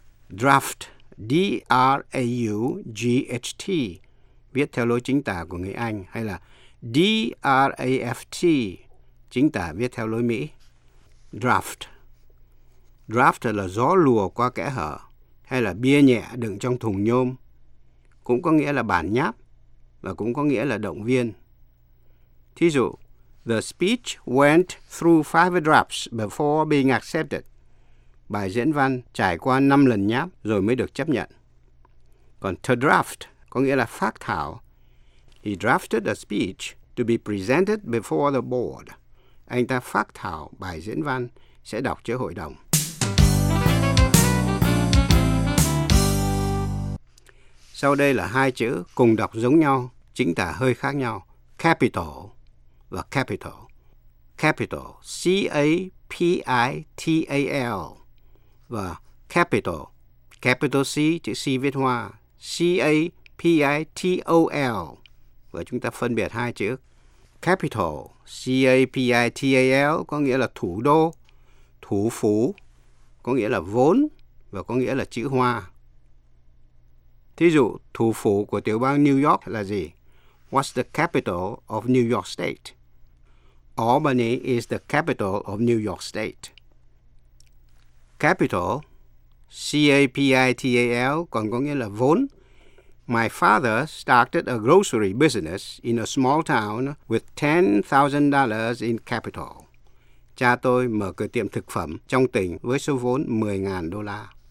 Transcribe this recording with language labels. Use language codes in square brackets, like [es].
[vi] Draft, D-R-A-U-G-H-T, viết theo lối chính tả của người Anh, hay là D-R-A-F-T, chính tả viết theo lối Mỹ. Draft. Draft là gió lùa qua kẽ hở, hay là bia nhẹ đựng trong thùng nhôm. Cũng có nghĩa là bản nháp và cũng có nghĩa là động viên. Thí dụ, [en] the speech went through 5 drafts before being accepted. [vi] Bài diễn văn trải qua 5 lần nháp rồi mới được chấp nhận. Còn to draft có nghĩa là phác thảo. [en] He drafted a speech to be presented before the board. [vi] Anh ta phác thảo bài diễn văn sẽ đọc trước hội đồng. Sau đây là hai chữ cùng đọc giống nhau, chính tả hơi khác nhau. Capital và capital. Capital, C-A-P-I-T-A-L. Và capital, capital C, chữ C viết hoa, C-A-P-I-T-O-L. Và chúng ta phân biệt hai chữ. Capital, C-A-P-I-T-A-L, có nghĩa là thủ đô, thủ phủ, có nghĩa là vốn và có nghĩa là chữ hoa. Thí dụ, thủ phủ của tiểu bang New York là gì? [en] What's the capital of New York State? Albany is the capital of New York State. [vi] Capital, C-A-P-I-T-A-L, còn có nghĩa là vốn. [en] My father started a grocery business in a small town with $10,000 in capital. [vi] Cha tôi mở cửa tiệm thực phẩm trong tỉnh với số vốn $10,000.